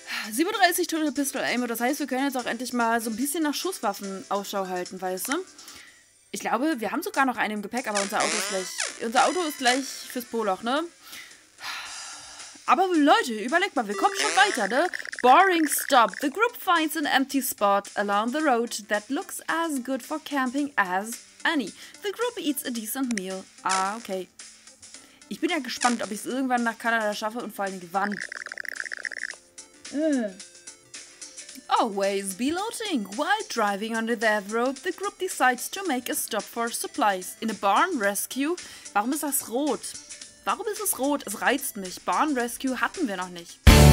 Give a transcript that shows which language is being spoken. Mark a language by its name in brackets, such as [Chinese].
[German] 37 Total Pistol Aim, das heißt, wir können jetzt auch endlich mal so ein bisschen nach Schusswaffen Ausschau halten, weißt du? Ich glaube, wir haben sogar noch einen im Gepäck, aber unser Auto ist gleich fürs Poloch, ne? Aber Leute, überlegt mal, wir kommen schon weiter, ne? [English] Boring stop. The group finds an empty spot along the road that looks as good for camping as any. The group eats a decent meal. Ah, okay. [German] Ich bin ja gespannt, ob ich es irgendwann nach Kanada schaffe und vor allem wann. [English] Always be loading. While driving on the dead road, the group decides to make a stop for supplies. In a barn rescue. [German] Warum ist das rot? Warum ist es rot? Es reizt mich. Barn Rescue hatten wir noch nicht.